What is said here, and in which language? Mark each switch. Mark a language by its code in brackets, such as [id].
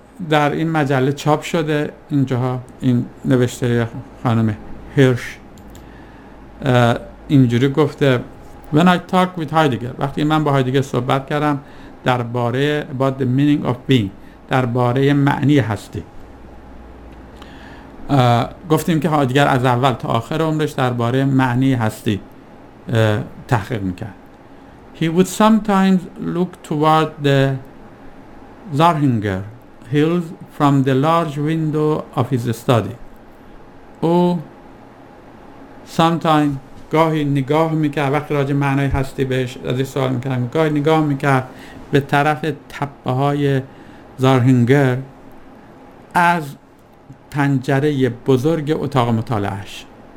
[fa] در این مجله چاپ شده اینجا, این نوشته خانم هرش اینجوری گفته: [en] When I talk with Heidegger, [fa] وقتی من با هایدگر صحبت کردم درباره [en] about the meaning of being, [fa] درباره معنی هستی, گفتیم که هایدگر از اول تا آخر عمرش درباره معنی هستی تحقیق میکرد. [en] He would sometimes look toward the Zarhinger hills from the large window of his study. [fa] او sometimes گاهی نگاه میکرد, وقتی راجع معنای هستی بهش از این سوال میکردم, گاهی نگاه میکرد به طرف تپه های زارهینگر از پنجره بزرگ اتاق مطالعهش.